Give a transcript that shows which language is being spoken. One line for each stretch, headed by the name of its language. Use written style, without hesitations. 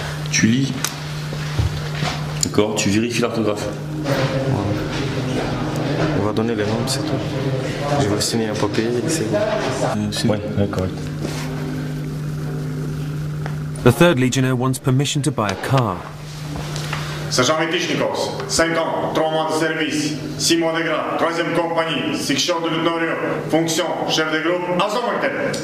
French: Tu lis, d'accord, tu vérifies l'orthographe. Ouais. On va donner les noms, c'est tout. Je vais signer un papier et c'est bon. Ouais, d'accord.
English: The third legionnaire wants permission to buy a car.
French: Sergent Mitichnikov, 5 ans, 3 mois de service, 6 mois de grade, 3e compagnie, section de l'honneur, fonction, chef de groupe, Azomaitel.